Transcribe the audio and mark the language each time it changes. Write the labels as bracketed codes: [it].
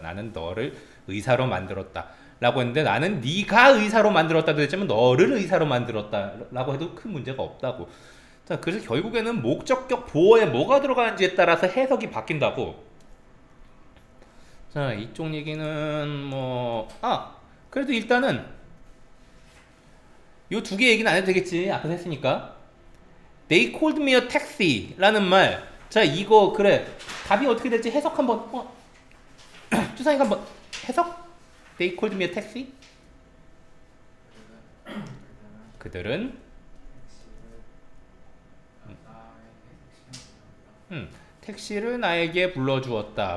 [ko] 나는 너를 의사로 만들었다라고 했는데 나는 네가 의사로 만들었다도 했지만 너를 의사로 만들었다라고 해도 큰 문제가 없다고. 자, 그래서 결국에는 목적격 보어에 뭐가 들어가는지에 따라서 해석이 바뀐다고. 자, 이쪽 얘기는 뭐, 그래도 일단은 요두개 얘기는 안 해도 되겠지. 앞에서 했으니까. [en] They called me a taxi [ko] 라는 말. 자, 이거 그래. 답이 어떻게 될지 해석 한번. 주상이 한번 해석? [en] They called me a taxi? [ko] 그들은 택시를 나에게 불러주었다.